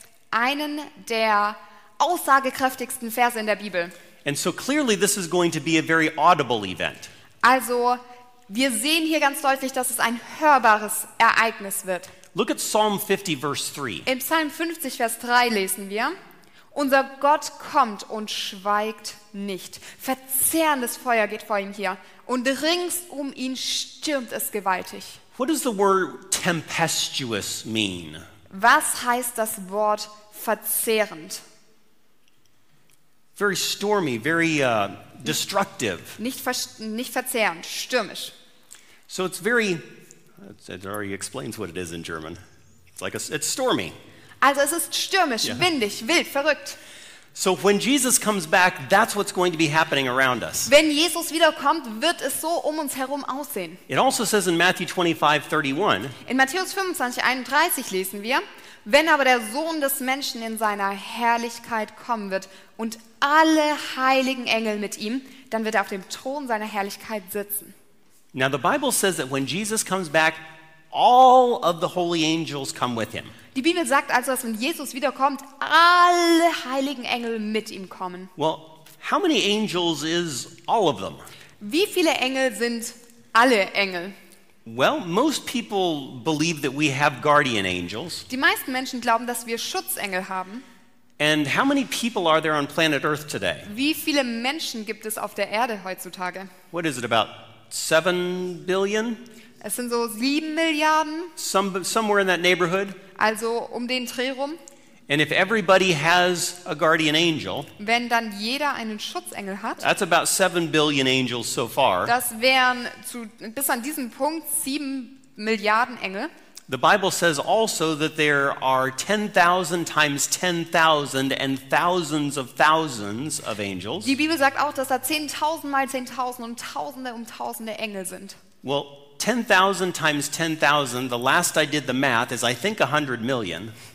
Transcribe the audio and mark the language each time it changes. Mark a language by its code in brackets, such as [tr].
[de] Einen der aussagekräftigsten Verse in der Bibel. [en] And so clearly this is going to be a very audible event. [de] Also, wir sehen hier ganz deutlich, dass es ein hörbares Ereignis wird. [en] Look at Psalm 50 verse 3. [de] In Psalm 50 Vers 3 lesen wir: Unser Gott kommt und schweigt nicht. Verzehrendes Feuer geht vor ihm her und rings um ihn stürmt es gewaltig. [en] What does the word tempestuous mean? [de] Was heißt das Wort verzehrend? [en] Very stormy, very destructive. [de] Nicht verzehrend, stürmisch. [en] So it's very, it already explains what it is in German. It's like it's stormy. [de] Also es ist stürmisch, yeah. Windig, wild, verrückt. [en] So when Jesus comes back, that's what's going to be happening around us. [de] Wenn Jesus wiederkommt, wird es so um uns herum aussehen. [en] It also says in Matthew 25:31. [de] In Matthäus 25:31 lesen wir, wenn aber der Sohn des Menschen in seiner Herrlichkeit kommen wird und alle heiligen Engel mit ihm, dann wird er auf dem Thron seiner Herrlichkeit sitzen. [en] Now the Bible says that when Jesus comes back, all of the holy angels come with him. [de] Die Bibel sagt also, dass wenn Jesus wiederkommt, alle heiligen Engel mit ihm kommen. [en] Well, how many angels is all of them? [de] Wie viele Engel sind alle Engel? [en] Well, most people believe that we have guardian angels. [de] Die meisten Menschen glauben, dass wir Schutzengel haben. [en] And how many people are there on planet Earth today? [de] Wie viele Menschen gibt es auf der Erde heutzutage? [en] What is it, about 7 billion? [de] Es sind so 7 Milliarden. [en] Somewhere in that neighborhood. [de] Also um den Dreh rum. [en] And if everybody has a guardian angel, [de] wenn dann jeder einen Schutzengel hat, [en] that's about 7 billion angels so far. [de] Das wären zu, bis an diesem Punkt 7 Milliarden Engel. [en] The Bible says also that there are 10,000 times 10,000 and thousands of angels. [de] Die Bibel sagt auch, dass da 10,000 mal 10,000 und Tausende um Tausende Engel sind. [en] Well, 10,000 times 10,000, the last I did the math, is I think 100 million.